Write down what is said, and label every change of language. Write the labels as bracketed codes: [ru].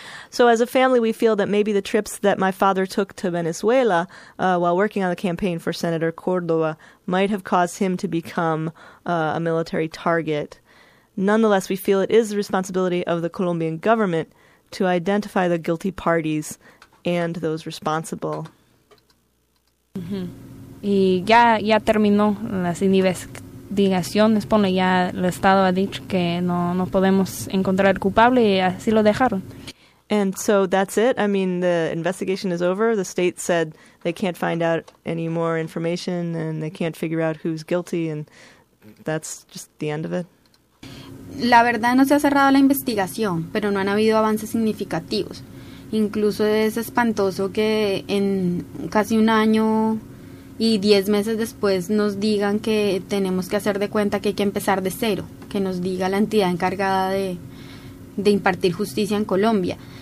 [en] So as a family, we feel that maybe the trips that my father took to Venezuela while working on the campaign for Senator Cordova might have caused him to become a military target. Nonetheless, we feel it is the responsibility of the Colombian government to identify the guilty parties and those responsible. [es] Mm-hmm. Y ya terminó las investigaciones, pone ya el Estado ha dicho que no podemos encontrar culpable y así lo dejaron. [en] And so that's it. I mean, the investigation is over. The state said they can't find out any more information and they can't figure out who's guilty, and that's just the end of it. [es] La verdad, no se ha cerrado la investigación, pero no han habido avances significativos. Incluso es espantoso que en casi un año y 10 meses después nos digan que tenemos que hacer de cuenta que hay que empezar de cero, que nos diga la entidad encargada de impartir justicia en Colombia.